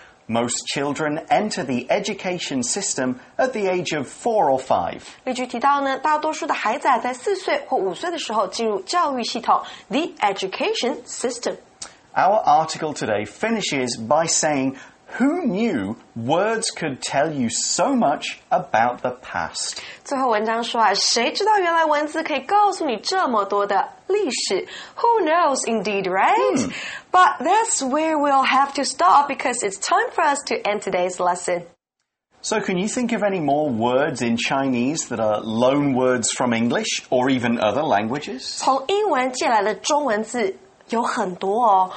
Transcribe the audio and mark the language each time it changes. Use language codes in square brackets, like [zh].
[en] Most children enter the education system at the age of 4 or 5. [zh] 例句提到呢，大多数的孩子在四岁或五岁的时候进入教育系统 , [en] the education system. Our article today finishes by saying, who knew words could tell you so much about the past? [zh] 最后文章说啊，谁知道原来文字可以告诉你这么多的历史？ [en] Who knows indeed, right? But that's where we'll have to stop because it's time for us to end today's lesson. So can you think of any more words in Chinese that are loan words from English or even other languages? [zh] 从英文借来的中文字有很多哦、